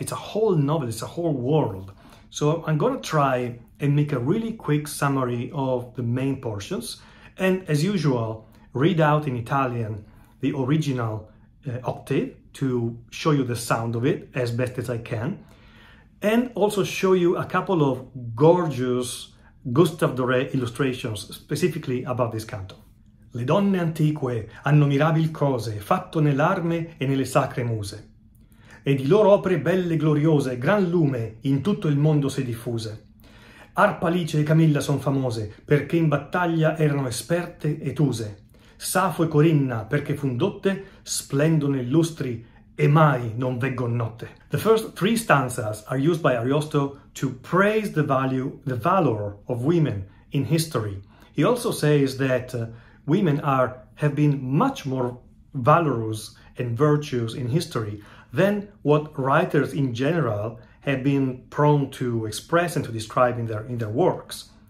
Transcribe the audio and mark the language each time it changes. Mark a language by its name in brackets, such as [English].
[English] It's a whole novel, it's a whole world. So I'm gonna try and make a really quick summary of the main portions, and as usual, read out in Italian the original octave to show you the sound of it as best as I can, and also show you a couple of gorgeous Gustave Doré illustrations specifically about this canto. [Italian] Le donne antique hanno mirabil cose fatto nell'arme e nelle sacre muse. E di loro opere belle e gloriose, gran lume in tutto il mondo si diffuse. Arpa Alice e Camilla son famose, perché in battaglia erano esperte e tuse. Safo e Corinna, perché fun dotte, splendono illustri e mai non veggon notte. [English] The first three stanzas are used by Ariosto to praise the valor of women in history. He also says that women have been much more valorous and virtuous in history than what writers in general have been prone to express and to describe in their works.